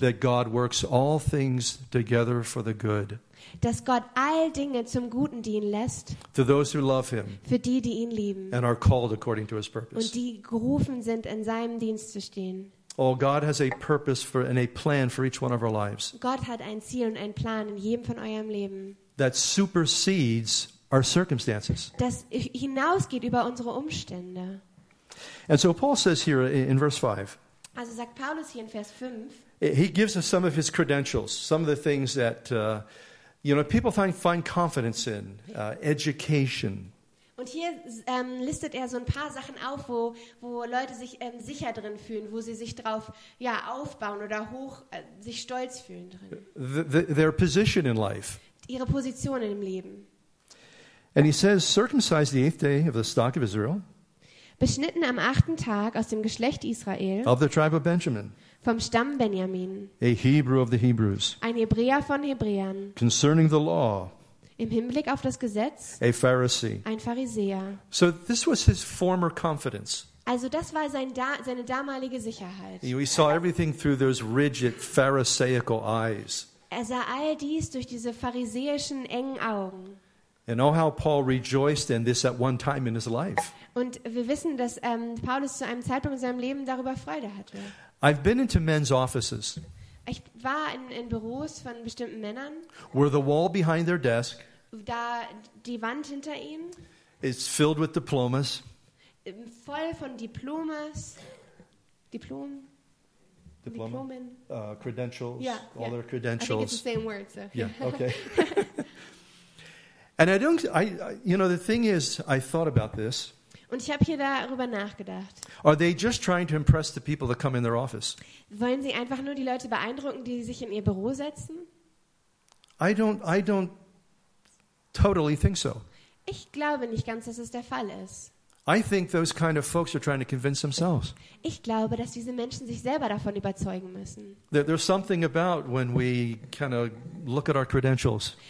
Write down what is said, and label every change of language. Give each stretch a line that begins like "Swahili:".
English: That God works all things together for the good.
German: Dass Gott all Dinge zum Guten dienen lässt.
English: To those who love him.
German: Für die, die ihn lieben.
English: And are called according to his purpose.
German: Und die gerufen sind, in seinem Dienst zu stehen.
English: Oh, God has a purpose for and a plan for each one of our lives.
German: Gott hat ein Ziel und einen Plan in jedem von eurem Leben.
English: That supersedes our circumstances.
German: Das hinausgeht über unsere Umstände.
English: And so Paul says here in verse 5.
German: Also sagt Paulus hier in Vers 5.
English: He gives us some of his credentials, some of the things that people find confidence in, education.
German: Und hier listet er so ein paar Sachen auf, wo Leute sich sicher drin fühlen, wo sie sich drauf aufbauen oder hoch sich stolz fühlen drin.
English: Their position in life.
German: Ihre Position im Leben.
English: And he says, circumcised the eighth day of the stock of Israel.
German: Beschnitten am achten Tag aus dem Geschlecht Israel.
English: Of the tribe of Benjamin.
German: Vom Stamm Benjamin.
English: A Hebrew of the Hebrews.
German: Ein Hebräer von Hebräern.
English: Concerning the law.
German: Im Hinblick auf das Gesetz,
English: a Pharisee.
German: Ein Pharisäer.
English: So this was his former confidence.
German: Also das war seine damalige Sicherheit.
English: He saw everything through those rigid, pharisaical eyes.
German: Er sah all dies durch diese pharisäischen, engen Augen.
English: And oh, how Paul rejoiced in this at one time in his life.
German: Und wir wissen, dass Paulus zu einem Zeitpunkt in seinem Leben darüber Freude hatte.
English: I've been into men's offices.
German: Ich war in Büros von bestimmten Männern.
English: Where the wall behind their desk.
German: Da die Wand hinter ihnen.
English: It's filled with diplomas.
German: Voll von Diplomas. Diplomen.
English: Credentials. Yeah, all yeah. Their credentials. I think it's the same word. So. Yeah. Okay. And the thing is, I thought about this.
German: Und ich habe hier darüber nachgedacht.
English: Are they just trying to impress the people that come in their office?
German: Wollen sie einfach nur die Leute beeindrucken, die sich in ihr Büro setzen?
English: I don't totally think so.
German: Ich glaube nicht ganz, dass es der Fall ist.
English: I think those kind of folks are trying to convince themselves.
German: Ich glaube, dass diese Menschen sich selber davon überzeugen müssen.
English: There's something about when we kind of look at our credentials.